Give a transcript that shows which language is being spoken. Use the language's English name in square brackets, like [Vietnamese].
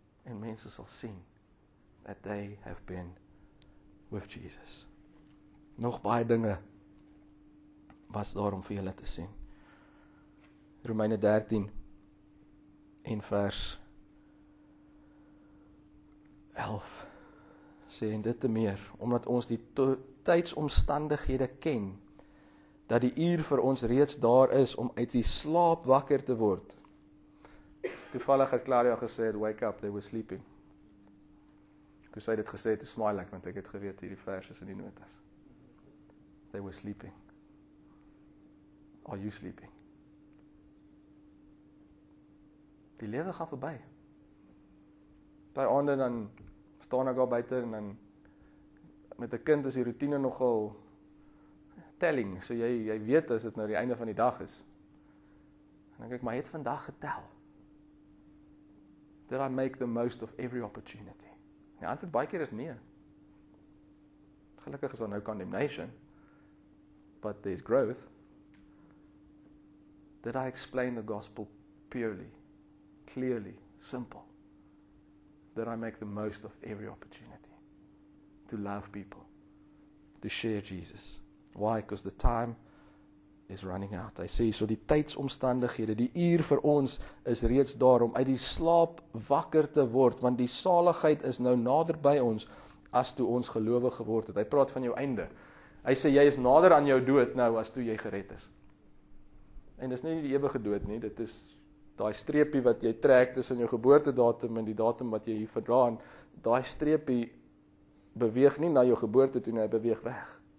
[Afrikaans] En mense sal sien [English] that they have been with Jesus. [Afrikaans] Nog baie dinge was daar om vir julle te sien. Romeine 13 In vers 11 sê en dit te meer, omdat ons die tydsomstandighede ken, dat die uur vir ons reeds daar is om uit die slaap wakker te word. Toevallig het Claudia gesê, [English] wake up, they were sleeping. [Afrikaans] Toe sy dit gesê, toe smile ek, want ek het geweet hierdie vers is in die notas. [English] They were sleeping. Are you sleeping? [Afrikaans] die lewe gaan verby. Daai aande dan staan ek daar buite en dan met 'n kind is die routine nogal telling, so jy weet as dit nou die einde van die dag is. En ek kyk maar het vandag getel. [English] Did I make the most of every opportunity? [Afrikaans] Die antwoord baie keer is nee. Gelukkig is daar nou condemnation, [English] but there's growth. Did I explain the gospel purely, clearly, simple? Did I make the most of every opportunity to love people, to share Jesus? Why? Because the time is running out. [Afrikaans] Hy sê, so die tydsomstandighede, die uur vir ons is reeds daar om uit die slaap wakker te word, want die saligheid is nou nader by ons as toe ons gelowig geword het. Hy praat van jou einde. Hy sê, jy is nader aan jou dood nou as toe jy gered is. En dis nie die ewige dood nie, dit is daai streepie wat jy trek tussen jou geboortedatum en die datum wat jy hier verdraan, daai streepie beweeg nie na jou geboorte toe, hy beweeg weg.